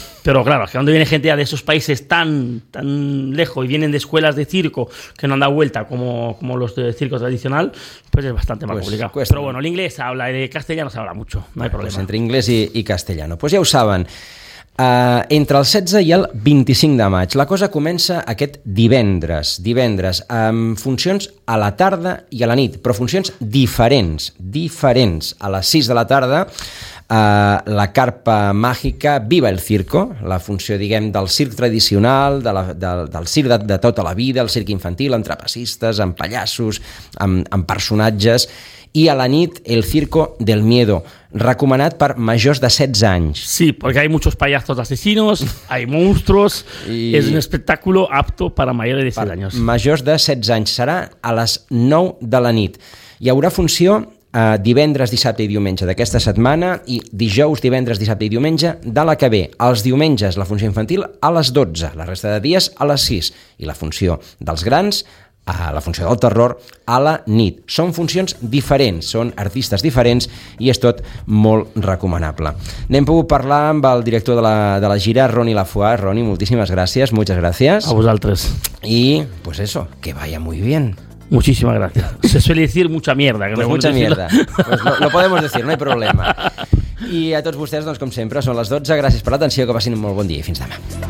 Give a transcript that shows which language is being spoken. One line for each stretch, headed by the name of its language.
Spanish: Pero claro, es que cuando viene gente ya de esos países tan, tan lejos y vienen de escuelas de circo que no han dado vuelta como los de circo tradicional, pues es bastante más complicado. Cuesta. Pero bueno, el inglés se habla, el castellano se habla mucho, no hay problema. Pues entre inglés y castellano.
Catalan: Pues ja ho saben. Entre el 16 i el 25 de maig. La cosa comença aquest divendres, amb funcions a la tarda i a la nit, però funcions diferents. A les 6 de la tarda, la carpa màgica Viva el Circo, la funció, diguem, del circ tradicional, del circ de tota la vida, el circ infantil, amb trapecistes, amb pallassos, amb personatges... I a la nit, el circo del miedo, recomanat per majors de 16 anys.
Spanish: Sí, porque hay muchos payasos asesinos, hay monstruos, es un espectáculo apto para mayores de 16 años.
Catalan: Majors de 16 anys, serà a les 9 de la nit. Hi haurà funció divendres, dissabte i diumenge d'aquesta setmana i dijous, divendres, dissabte i diumenge de la que ve. Els diumenges, la funció infantil, a les 12, la resta de dies a les 6. I la funció dels grans... a la funció del terror a la nit. Són funcions diferents, són artistes diferents i és tot molt recomanable. N'hem pogut parlar amb el director de la gira, Ronnie Lafua. Ronnie, moltíssimes gràcies, moltes gràcies. A vosaltres.
Spanish: I, pues eso, que vaya muy bien. Muchísimas gracias. Se suele decir mucha mierda. Que pues mucha mierda. Pues lo podemos decir, no hay problema.
Catalan: I a tots vostès, doncs, com sempre, són les 12. Gràcies per l'atenció, que passin un molt bon dia i fins demà.